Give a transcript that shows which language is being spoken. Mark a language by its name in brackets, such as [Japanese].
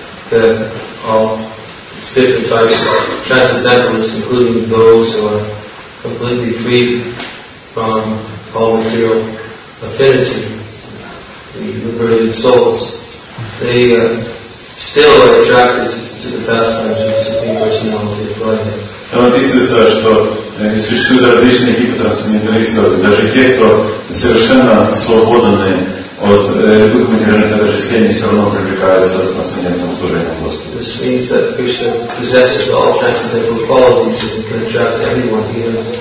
[English] That all different types of transcendentalists, including those who are completely freed from all material affinity, the liberated souls, they still are attracted to the pastimes of the Supreme Personality of Godhead. [Russian] Там описывается, что существуют различные типы трансценденталистов, даже те, кто совершенно свободны от дух материального рождения все равно привлекается к трансцендентному служению Господу. [English] This means that Krishna possesses all transcendental qualities and can attract anyone here.